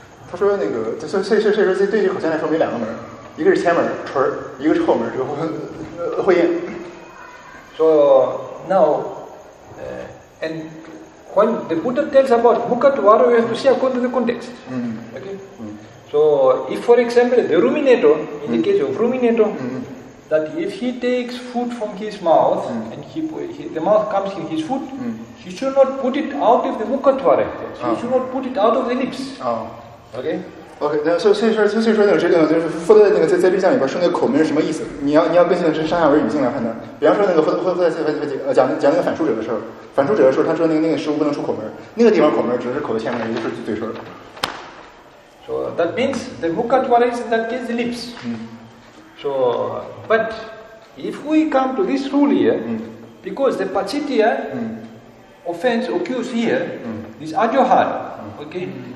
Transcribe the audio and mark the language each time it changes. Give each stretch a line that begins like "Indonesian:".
Chinese: 他说那个，所以说这对这口腔来说，没两个门，一个是前门唇，一个是后门这个会咽。
English: So now, and when the Buddha tells about mukha dwara, we have to see according to the context. Okay. So if, for example, the ruminator, in the case of ruminator, that if he takes food from his mouth and the mouth comes in his food, he should not put it out of the mukha dwara. He should not put it out of the lips. Okay. Okay.
Chinese: 所以说那个这个就是附在那个在对象里边说那个口门是什么意思？你要根据的是上下文语境来判断。比方说那个讲那个反刍者的事儿，反刍者的时候他说那个食物不能出口门，那个地方口门只是口的前门，也就是嘴唇。
English: So that means the mukha dwara is that is the lips. So, but if we come to this rule here, because the pachitya offense occurs here, this ajohar. Okay.